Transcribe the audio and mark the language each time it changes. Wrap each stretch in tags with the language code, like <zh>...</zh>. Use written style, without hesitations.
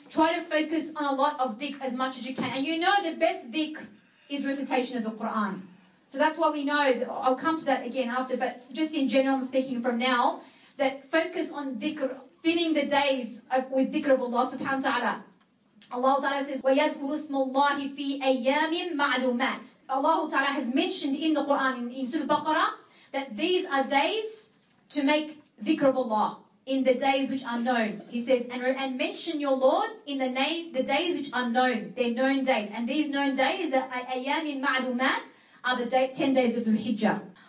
<en>Try to focus on a lot of dhikr as much as you can. And you know the best dhikr is recitation of the Quran. So that's why we know, that I'll come to that again after, but just in general, I'm speaking from now, that focus on dhikr, filling the days with dhikr of Allah subhanahu wa ta'ala. Allah ta'ala says,</en> <ar>وَيَذْكُرُ اسْمُ اللَّهِ فِي أَيَّامٍ مَعْلُومَاتٍ.</ar> <en>Allah ta'ala has mentioned in the Quran, in Surah Baqarah, that these are days to make dhikr of Allah in the days which are known. He says, and mention your Lord in the name, the days which are known, they're known days. And these known days are</en> <ar>أَيَّامٍ مَعْلُومَاتٍ,</ar> <en>are the 10 days of Dhul-Hijjah.</en>